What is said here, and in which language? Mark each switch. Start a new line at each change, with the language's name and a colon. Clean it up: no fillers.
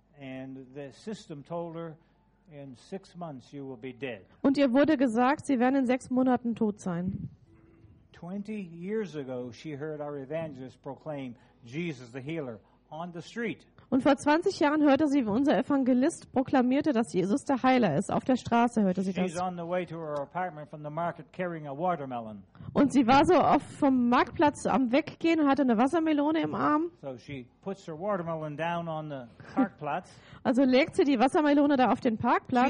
English: And the system told her, in 6 months you will be dead.
German: Und ihr wurde gesagt, sie werden in 6 Monaten tot sein.
English: 20 years ago she heard our evangelist proclaim Jesus the healer on the street.
German: Und vor 20 Jahren hörte sie, wie unser Evangelist proklamierte, dass Jesus der Heiler ist. Auf der Straße hörte sie das.
English: On the way to her apartment from the market carrying a watermelon.
German: Und sie war so oft vom Marktplatz am Weggehen und hatte eine Wassermelone im Arm.
English: So she puts her watermelon down on the Parkplatz.
German: Also legt sie die Wassermelone da auf den Parkplatz.